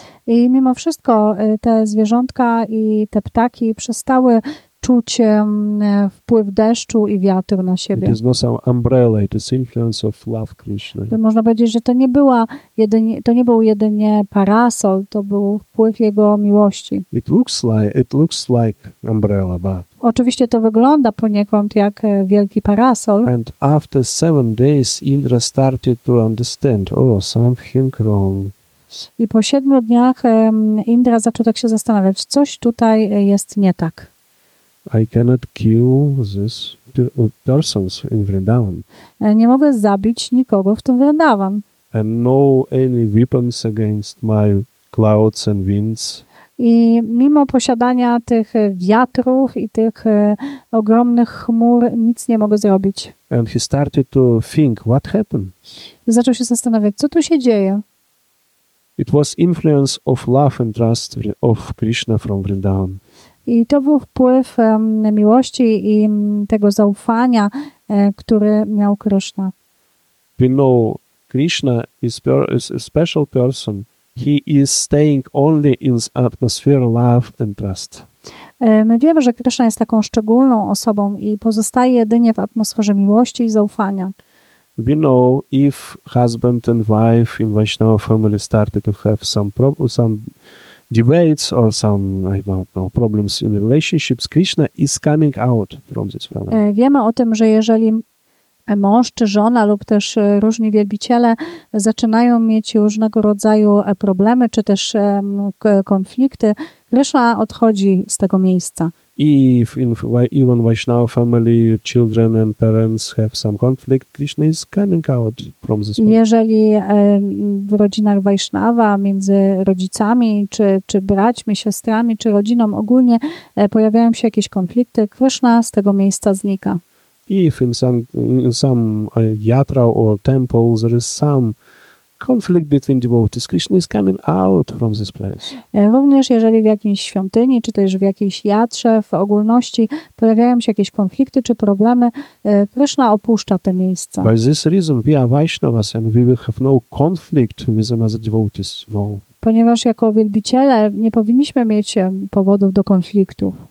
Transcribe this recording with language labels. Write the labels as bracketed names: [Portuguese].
[Polish] I mimo wszystko te zwierzątka i te ptaki przestały czuć wpływ deszczu i wiatru na siebie. [English] It is not an umbrella, it is influence of love Krishna. [Polish] Można powiedzieć, że to nie był jedynie parasol, to był wpływ jego miłości. [English] It looks like umbrella, but [Polish] oczywiście to wygląda poniekąd jak wielki parasol. [English] And after 7 days Indra started to understand, oh, something wrong. [Polish] I po 7 dniach Indra zaczął tak się zastanawiać, coś tutaj jest nie tak. [English] I cannot kill this persons in Vrindavan. [Polish] Nie mogę zabić nikogo w tym Vrindavan. [English] And no any weapons against my clouds and winds. [Polish] I mimo posiadania tych wiatrów i tych ogromnych chmur, nic nie mogę zrobić. [English] And he started to think, what happened? [Polish] Zaczął się zastanawiać, co tu się dzieje. [English] It was influence of love and trust of Krishna from Vrindavan. [Polish] I to był wpływ miłości i tego zaufania, który miał Krishna. [English] We know Krishna is a special person. He is staying only in atmosphere love and trust. [Polish] My wiemy, że Krishna jest taką szczególną osobą i pozostaje jedynie w atmosferze miłości i zaufania. [English] We know if husband and wife in Vaishnava family started to have some debates or some, I don't know, problems in relationships, Krishna is coming out from this family. [Polish] Wiemy o tym, że jeżeli mąż czy żona lub też różni wielbiciele zaczynają mieć różnego rodzaju problemy czy też konflikty, Krishna odchodzi z tego miejsca. [English] If in even Vaishnava family children and parents have some conflict, Krishna is coming out from this. [Polish] Jeżeli w rodzinach Vaishnava między rodzicami czy braćmi, siostrami czy rodziną ogólnie pojawiają się jakieś konflikty, Krishna z tego miejsca znika. [English] If in some yatra or temple there is some conflict between devotees, Krishna is coming out from this place. [Polish] Również jeżeli w jakiejś świątyni, czy też w jakiejś jatrze, w ogólności pojawiają się jakieś konflikty czy problemy, Krishna opuszcza te miejsca. [English] By this reason we are Vaishnavas and we will have no conflict with another devotees. No. [Polish] Ponieważ jako wielbiciele nie powinniśmy mieć powodów do konfliktu.